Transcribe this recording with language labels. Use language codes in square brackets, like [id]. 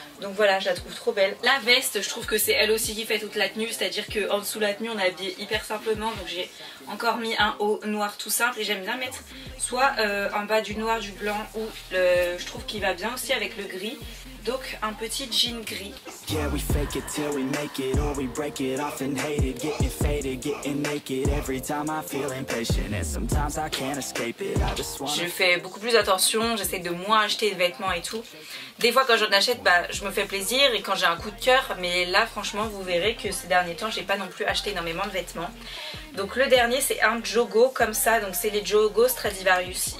[fr] Donc voilà, je la trouve trop belle. La veste, je trouve que c'est elle aussi qui fait toute la tenue, c'est-à-dire qu'en dessous de la tenue on est habillé hyper simplement. Donc j'ai encore mis un haut noir tout simple, et j'aime bien mettre soit en bas du noir, du blanc, ou je trouve qu'il va bien aussi avec le gris. Donc un petit jean gris. [en] Yeah, we fake it till we make it, or we break it off and hate it. Getting faded, getting naked every time I feel impatient. And sometimes I can't escape it. I just wanna... [fr] Je fais beaucoup plus attention, j'essaie de moins acheter de vêtements et tout. Des fois quand j'en achète, bah, je me fais plaisir, et quand j'ai un coup de cœur, mais là franchement vous verrez que ces derniers temps j'ai pas non plus acheté énormément de vêtements. Donc le dernier c'est un Jogo comme ça, donc c'est les Jogo Stradivarius.